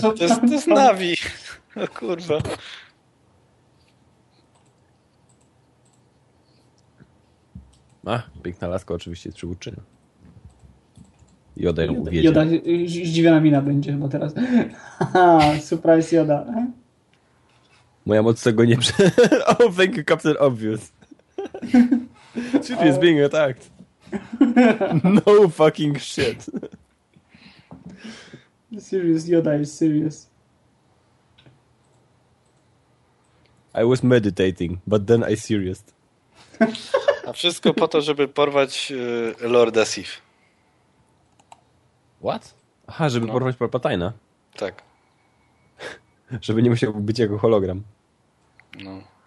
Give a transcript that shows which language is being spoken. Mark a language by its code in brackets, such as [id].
[pl] To jest Navi. O kurwa. A, piękna laska oczywiście jest przywódczynią. Joda ją uwiedzie. Joda, zdziwiona mina będzie, bo teraz... [en] Haha, surprise Joda. [pl] Moja moc tego nie prze... [en] Oh, thank you, Captain Obvious. Ship is being attacked. No fucking shit. Serious, Yoda is serious. I was meditating, but then I serious. [pl] A wszystko po to, żeby porwać Lorda Sith. [en] What? [pl] Aha, żeby porwać Palpatina. Tak. Żeby nie musiał być jako hologram. No.